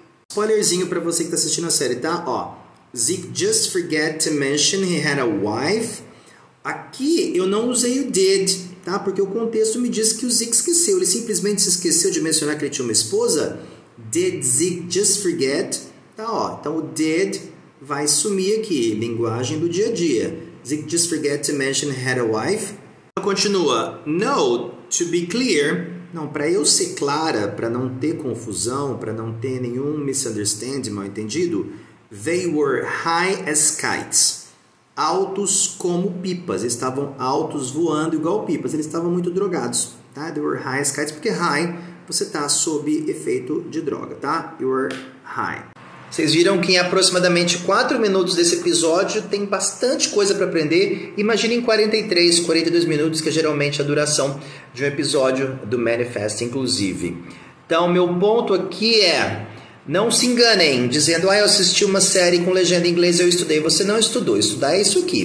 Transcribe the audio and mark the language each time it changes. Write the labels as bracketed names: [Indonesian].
[Portuguese] Spoilerzinho pra você que tá assistindo a série, tá? [English] Ó, Zeke just forget to mention he had a wife. [Portuguese] Aqui eu não usei o did, tá? Porque o contexto me diz que o Zeke esqueceu. Ele simplesmente se esqueceu de mencionar que ele tinha uma esposa. [English] Did Zeke just forget? [Portuguese] Tá, ó, então o did vai sumir aqui, linguagem do dia a dia. [English] Zeke just forget to mention he had a wife. Continua, no, to be clear. [Portuguese] Não, para eu ser clara, para não ter confusão, para não ter nenhum misunderstanding, mal entendido, [English] they were high as kites, [Portuguese] altos como pipas, eles estavam altos voando igual pipas, eles estavam muito drogados, tá? [English] They were high as kites, [Portuguese] porque high, você está sob efeito de droga, tá? [English] You were high. [Portuguese] Vocês viram que em aproximadamente 4 minutos desse episódio tem bastante coisa para aprender. Imagina em 43, 42 minutos, que é geralmente a duração de um episódio do Manifest, inclusive. Então, meu ponto aqui é, não se enganem dizendo, ah, eu assisti uma série com legenda em inglês, eu estudei. Você não estudou. Estudar é isso aqui.